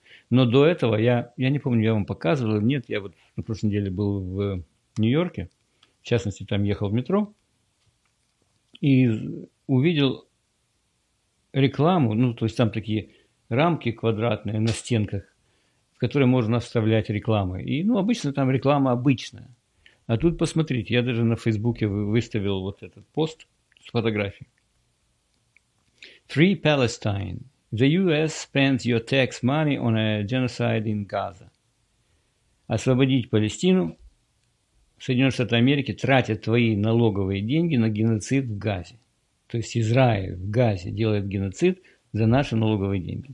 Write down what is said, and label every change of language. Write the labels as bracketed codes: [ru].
[ru] Но до этого, я не помню, я вам показывал, нет, я вот на прошлой неделе был в Нью-Йорке, в частности, там ехал в метро, и увидел рекламу, ну, то есть там такие рамки квадратные на стенках, в которые можно вставлять рекламы. И, ну, обычно там реклама обычная. А тут посмотрите, я даже на Фейсбуке выставил вот этот пост с фотографией. [en] Free Palestine. The US spends your tax money on a genocide in Gaza. [ru] Освободить Палестину. Соединенные Штаты Америки тратят твои налоговые деньги на геноцид в Газе. То есть Израиль в Газе делает геноцид за наши налоговые деньги.